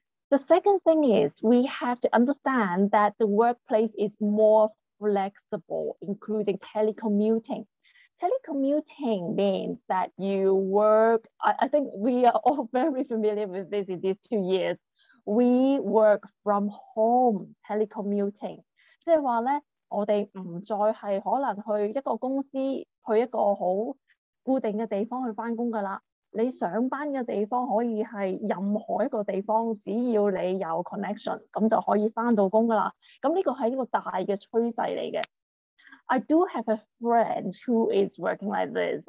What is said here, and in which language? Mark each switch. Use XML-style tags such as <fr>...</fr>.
<en>The second thing is we have to understand that the workplace is more flexible, including telecommuting. Telecommuting means that you work. I think we are all very familiar with this in these 2 years. We work from home telecommuting，</en> <yue>即係話咧。我哋唔再係可能去一個公司，去一個好固定嘅地方去翻工噶啦。你上班嘅地方可以係任何一個地方，只要你有 connection， 咁就可以翻到工噶啦。咁呢個係一個大嘅趨勢嚟嘅。</yue> <en>I do have a friend who is working like this.</en>